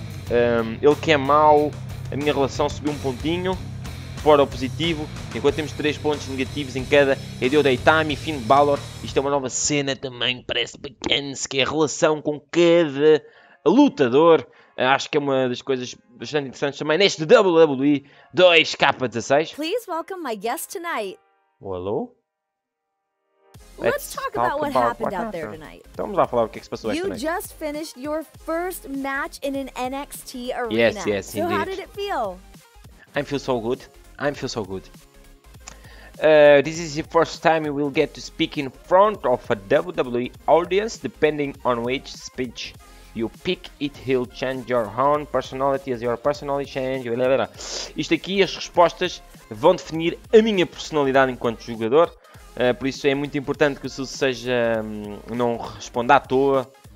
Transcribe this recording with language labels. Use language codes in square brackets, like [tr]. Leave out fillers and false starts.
[pt] Ele que é mau, a minha relação subiu um pontinho para o positivo, enquanto temos 3 pontos negativos em cada Edeo Daytime e Finn Balor. Isto é uma nova cena também, parece bacana, que é a relação com cada lutador. Acho que é uma das coisas bastante interessantes também neste WWE 2K16. [en] Please welcome my guest tonight. Oh, hello? Let's talk about what happened out there tonight. [pt] Estamos a falar o que se passou esta noite. [en] You just finished your first match in an NXT arena. Yes, yes, indeed. So how did it feel? I feel so good. This is the first time you will get to speak in front of a WWE audience. Depending on which speech you pick, it will change your own personality as your personality change. [pt] Isto aqui, as respostas vão definir a minha personalidade enquanto jogador. Por isso é muito importante que o Silas seja não responda à toa.